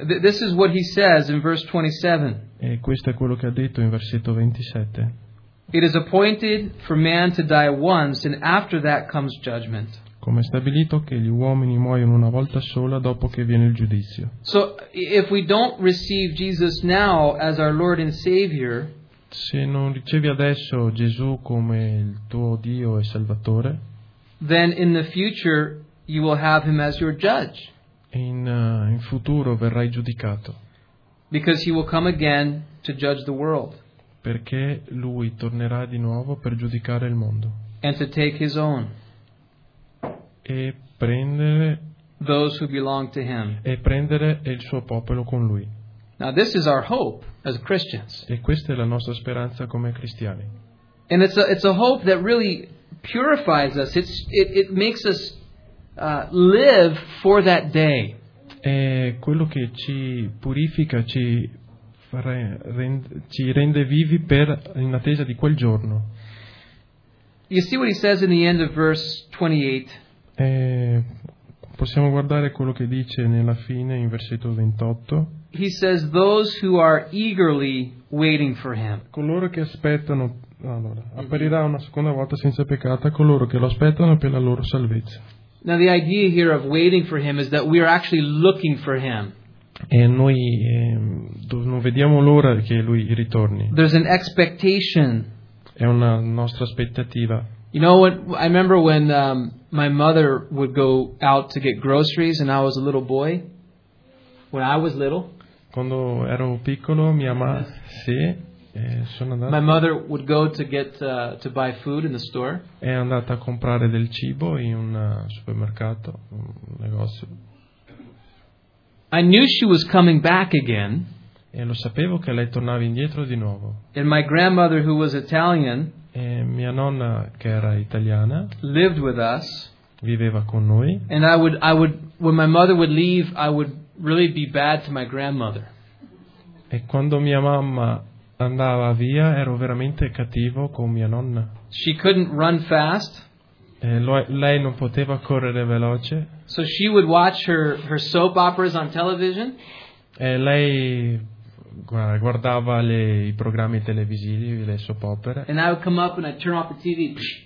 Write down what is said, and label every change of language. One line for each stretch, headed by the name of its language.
English: This is what he says in verse 27.
Italian: E questo è quello che ha detto in versetto 27.
English: It is appointed for man to die once, and after that comes judgment.
Italian: Come è stabilito che gli uomini muoiono una volta sola dopo che viene il giudizio.
English: So, if we don't receive Jesus now as our Lord and Savior,
Italian: se non ricevi adesso Gesù come il tuo Dio e Salvatore,
English: then in the future you will have him as your judge.
Italian: In futuro verrai giudicato.
English: Because he will come again to judge the world.
Italian: Perché lui tornerà di nuovo per giudicare il mondo.
English: And to take his own.
Italian: E prendere
English: those who belong to him.
Italian: E prendere il suo popolo con lui.
English: Now this is our hope as Christians.
Italian: E questa è la nostra speranza come cristiani.
English: And it's a hope that really purifies us. It makes us live for that day.
Italian: È quello che ci purifica, ci rende vivi per in attesa di quel giorno.
English: You see what he says in the end of verse 28.
Italian: Possiamo guardare quello che dice nella fine in versetto 28.
English: He says those who are eagerly waiting for him.
Italian: Coloro che aspettano, allora, apparirà una seconda volta senza peccato a coloro che lo aspettano per la loro salvezza.
English: Now the idea here of waiting for him is that we are actually looking for him.
Italian: E noi non vediamo l'ora che lui ritorni.
English: There's an expectation.
Italian: È una nostra aspettativa.
English: You know what? I remember when my mother would go out to get groceries, and I was a little boy. When I was little.
Italian: Quando ero piccolo, mia mamma sì, sono andato.
English: My mother would go to get to buy food in the store.
Italian: È andata a comprare del cibo in un supermercato, un negozio.
English: I knew she was coming back again.
Italian: E lo sapevo che lei tornava indietro di nuovo.
English: And my grandmother, who was Italian.
Italian: E mia nonna, che era italiana,
English: lived with us,
Italian: viveva con noi.
English: And I would when my mother would leave, I would really be bad to my grandmother.
Italian: E quando mia mamma andava via, ero veramente cattivo con mia nonna.
English: She couldn't run fast.
Italian: E lei non poteva correre veloce.
English: So she would watch her soap operas on television.
Italian: E lei guardava i programmi televisivi, le soap opere.
English: And I would come up and I'd turn off the TV.